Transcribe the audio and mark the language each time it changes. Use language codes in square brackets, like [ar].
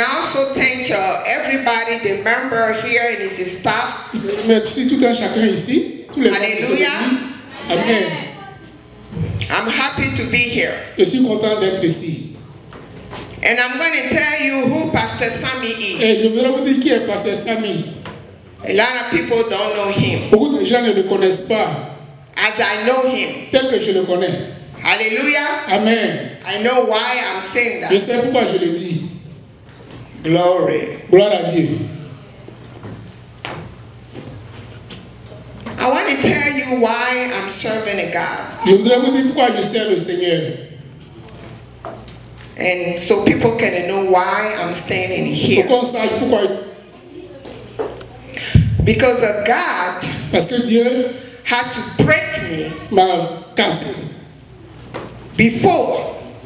[en] I also thank everybody, the member here and his staff. [fr] Merci tout un chacun ici. Hallelujah. Amen. [en] I'm happy to be here. [fr] Je suis content d'être ici. [en] And I'm going to tell you who Pastor Sami is. [fr] Et je voudrais vous dire qui est Pasteur Sami. [en] A lot of people don't know him. [fr] Beaucoup de gens ne le connaissent pas. [en] As I know him. [fr] Tel que je le connais. Hallelujah. Amen. [en] I know why I'm saying that. [fr] Je sais pourquoi je le dis. [en] Glory. [fr] Gloire à Dieu. [en] I want to tell you why I'm serving a God. [fr] Je voudrais vous dire pourquoi je sers le Seigneur. [en] And so people can know why I'm standing here. [fr] Pour qu'on sache pourquoi. [en] Because of God. [fr] Parce que Dieu [en] had to break me. [fr] M'a cassé. [en] Before.